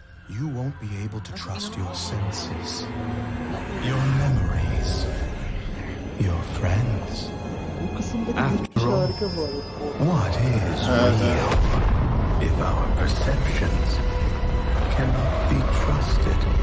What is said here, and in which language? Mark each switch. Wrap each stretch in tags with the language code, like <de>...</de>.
<en>You won't be able to trust your senses, your memories, your friends?</en> <tr>Bu kısımdaki bir harika var.</tr> <en>What is real if our perceptions cannot be trusted?</en>